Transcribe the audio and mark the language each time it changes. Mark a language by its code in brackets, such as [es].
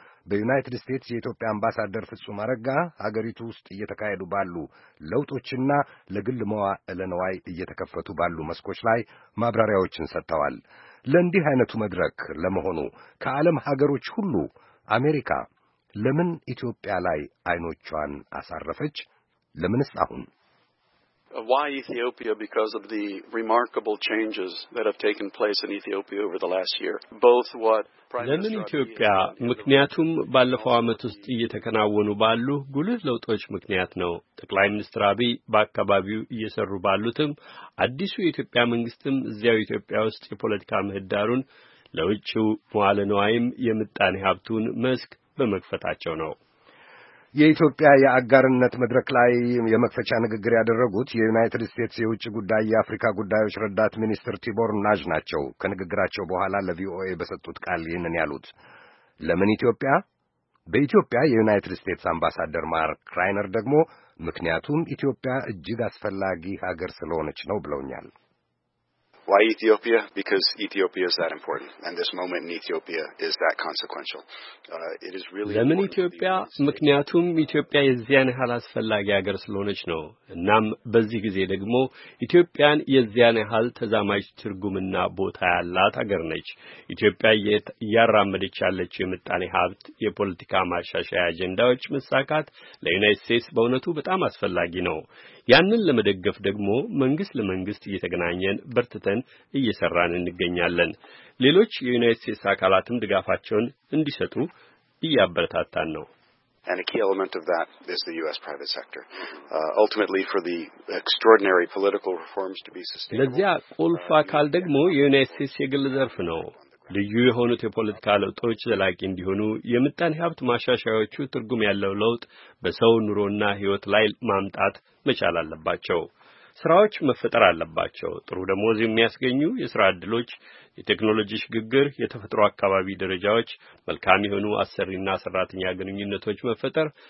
[am] በዩናይትድ ስቴትስ የኢትዮጵያ አምባሳደር ፍጹም አረጋ ሀገሪቱ ውስጥ እየተካሄዱ ባሉ ለውጦችና ለግል መዋዕለ ንዋይ እየተከፈቱ ባሉ መስኮች ላይ ማብራሪያዎችን ሰጥተዋል። ለእንዲህ አይነቱ መድረክ ለመሆኑ ከዓለም ሀገሮች ሁሉ አሜሪካ ለምን ኢትዮጵያ ላይ አይኖቿን አሳረፈች? ለምንስ አሁን? [en] Why Ethiopia? Because of the remarkable changes that have taken place in Ethiopia over the last year. Both what [am] ለምን ኢትዮጵያ? ምክንያቱም ባለፈው አመት ውስጥ እየተከናወኑ ባሉ ጉልህ ለውጦች ምክንያት ነው። ጠቅላይ ሚኒስትር አብይ በአካባቢው እየሰሩ ባሉትም አዲሱ የኢትዮጵያ መንግስትም እዚያው ኢትዮጵያ ውስጥ የፖለቲካ ምህዳሩን ለውጭው መዋለ ንዋይም የምጣኔ ሀብቱን መስክ በመክፈታቸው ነው። የኢትዮጵያ የአጋርነት መድረክ ላይ የመክፈቻ ንግግር ያደረጉት የዩናይትድ ስቴትስ የውጭ ጉዳይ የአፍሪካ ጉዳዮች ረዳት ሚኒስትር ቲቦር ናጅ ናቸው። ከንግግራቸው በኋላ ለቪኦኤ በሰጡት ቃል ይህንን ያሉት። ለምን ኢትዮጵያ? በኢትዮጵያ የዩናይትድ ስቴትስ አምባሳደር ማርክ ራይነር ደግሞ ምክንያቱም ኢትዮጵያ እጅግ አስፈላጊ ሀገር ስለሆነች ነው ብለውኛል። [en] Why Ethiopia? Because Ethiopia is that important and this moment in Ethiopia is that consequential. It is really [am] ለምን ኢትዮጵያ? ምክንያቱም ኢትዮጵያ የዚያን ያህል አስፈላጊ ሀገር ስለሆነች ነው። እናም በዚህ ጊዜ ደግሞ ኢትዮጵያን የዚያን ያህል ተዛማጅ ትርጉምና ቦታ ያላት ሀገር ነች። ኢትዮጵያ እያራመደች ያለችው የምጣኔ ሀብት የፖለቲካ ማሻሻያ አጀንዳዎች መሳካት ለዩናይትድ ስቴትስ በእውነቱ በጣም አስፈላጊ ነው። ያንን ለመደገፍ ደግሞ መንግስት ለመንግስት እየተገናኘን በርትተን እየሰራን እንገኛለን። ሌሎች የዩናይትድ ስቴትስ አካላትም ድጋፋቸውን እንዲሰጡ እያበረታታን ነው። [en] And a key element of that is the US private sector. Ultimately for the extraordinary political reforms to be sustainable. [am] ለዚያ ቁልፍ አካል ደግሞ የዩናይትድ ስቴትስ የግል ዘርፍ ነው። ልዩ የሆኑት የፖለቲካ ለውጦች ዘላቂ እንዲሆኑ የምጣኔ ሀብት ማሻሻያዎቹ ትርጉም ያለው ለውጥ በሰው ኑሮና ሕይወት ላይ ማምጣት መቻል አለባቸው። ስራዎች መፈጠር አለባቸው። ጥሩ ደሞዝ የሚያስገኙ የስራ ዕድሎች፣ የቴክኖሎጂ ሽግግር፣ የተፈጥሮ አካባቢ ደረጃዎች፣ መልካም የሆኑ አሰሪና ሰራተኛ ግንኙነቶች መፈጠር